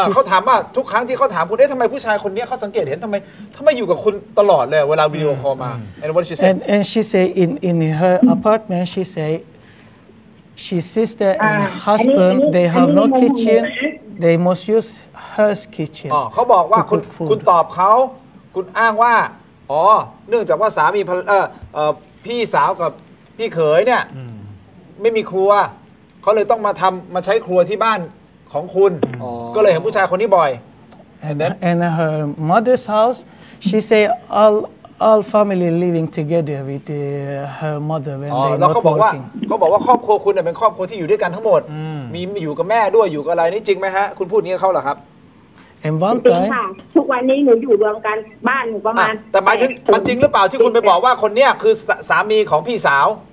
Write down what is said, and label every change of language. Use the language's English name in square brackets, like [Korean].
[Thai] เขาถามว่าทุกครั้งที่เขาถามคุณเอ๊ะทำไมผู้ชายคนนี้เขาสังเกตเห็นทำไมอยู่กับคุณตลอดเลยเวลาวิดีโอคอลมา [English] and what she said and she say in her apartment she say she sister and husband they have no kitchen they must use her kitchen [Thai] เขาบอกว่าคุณตอบเขาคุณอ้างว่าอ๋อเนื่องจากว่าสามีพี่สาวกับพี่เขยเนี่ยไม่มีครัวเขาเลยต้องมาทำมาใช้ครัวที่บ้านของคุณก็เลยเห็นผู้ชายคนนี้บ่อย [English] and her mother's house she say all family living together with her mother when they not working [Thai] เขาบอกว่าครอบครัวคุณเป็นครอบครัวที่อยู่ด้วยกันทั้งหมด มีอยู่กับแม่ด้วยอยู่กับอะไรนี่จริงไหมฮะคุณพูดนี้กับเขาเหรอครับ จริงค่ะ ทุ กวัน นี้หนูอยู่รวมกันบ้านประมาณ แต่หมายถึงมันจริงหรือเปล่าที่คุณไปบอกว่าคนนี้คือสามีของพี่สาว